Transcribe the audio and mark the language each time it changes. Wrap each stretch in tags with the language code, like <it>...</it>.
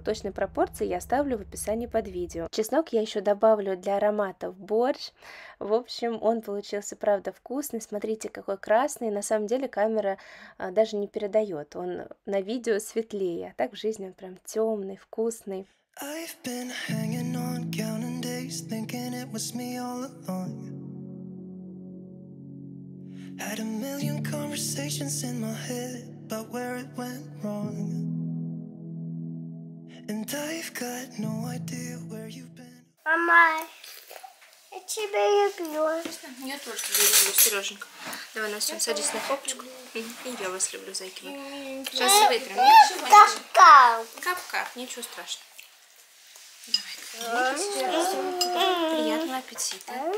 <ru>Точные пропорции я оставлю в описании под видео. Чеснок я еще добавлю для аромата в борщ. В общем, он получился правда вкусный. Смотрите, какой красный. На самом деле камера даже не передает. Он на видео светлее, а так в жизни он прям темный, вкусный.</ru> <en>I've been hanging on, counting days, thinking it was me all along. Had a million conversations in my head about where it went wrong. And I've got no idea where you've been.</en> <ru>Мама, я тебя люблю. Я тоже тебя люблю, Сереженька. Давай, Настя, садись на попочку. И я вас люблю, зайки мои. Сейчас вытрем. Кап-кап. Кап-кап, ничего страшного. Приятного аппетита.</ru>